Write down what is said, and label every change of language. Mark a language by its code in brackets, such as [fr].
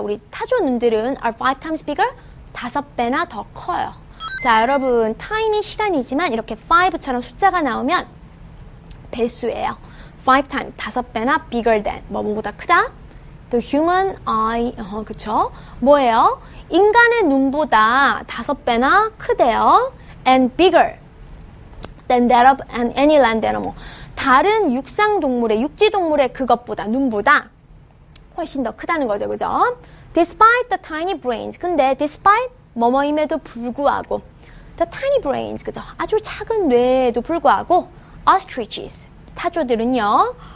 [ko] 우리 타조 눈들은 [en] are five times bigger. [ko] 다섯 배나 더 커요. 자, 여러분. time이 시간이지만 이렇게 five처럼 숫자가 나오면 배수예요. five times. 다섯 배나 bigger than. 뭐보다 크다? The human eye. 그쵸? 뭐예요? 인간의 눈보다 다섯 배나 크대요. [en] And bigger than that of any land animal. [ko] 다른 육상 동물의, 육지 동물의 그것보다, 눈보다 훨씬 더 크다는 거죠. 그죠? [en] Despite the tiny brains. [ko] 근데 despite 뭐뭐임에도 불구하고 the tiny brains. 그죠? 아주 작은 뇌에도 불구하고 ostriches. 타조들은요.